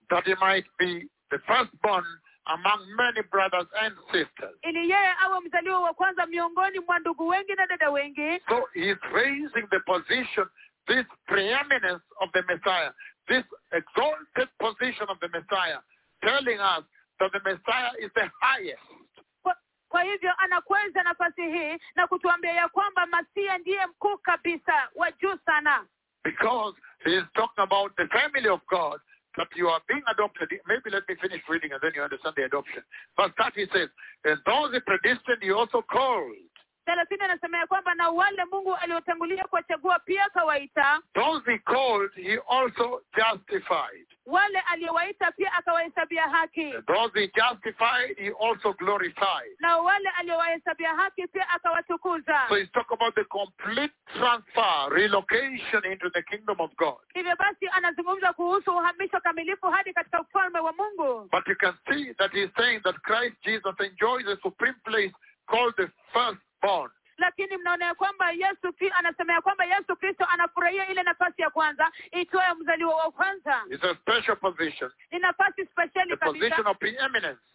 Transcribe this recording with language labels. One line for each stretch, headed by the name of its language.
English: That he might be the firstborn among many brothers and sisters.
Swahili: Ili yeye awe mzaliwa wa kwanza miongoni mwa ndugu wengi na dada wengi.
English: So he's raising the position, this preeminence of the Messiah, this exalted position of the Messiah, telling us that the Messiah is the highest.
Swahili: Kwa hivyo anakwenza nafasi hii na kutuambia ya kwamba Masia ndiye mkuu kabisa wa juu sana.
English: Because he is talking about the family of God, that you are being adopted. Maybe let me finish reading and then you understand the adoption. Verse 30 says, and those predestined he also called.
Swahili: 30 anasema ya kwamba na wale Mungu aliotangulia kuwachagua pia akawaita.
English: Those he called he also justified.
Swahili: Wale aliyewaita pia akawahesabia haki.
English: Those he justified, he also glorified.
Swahili: Na wale aliyewahesabia haki pia akawatukuza.
English: So he's talking about the complete transfer, relocation into the kingdom of God.
Swahili: Hivyo basi anazungumza kuhusu uhamisho kamilifu hadi katika ufalme wa Mungu.
English: But you can see that he's saying that Christ Jesus enjoys a supreme place called the firstborn.
Swahili: Lakini mnaona ya kwamba Yesu pia anasema ya kwamba Yesu Kristo anafurahia ile nafasi ya kwanza itoayo mzaliwa wa kwanza.
English: It's a special position.
Swahili: Ni nafasi speciali kabisa.
English: The position of preeminence.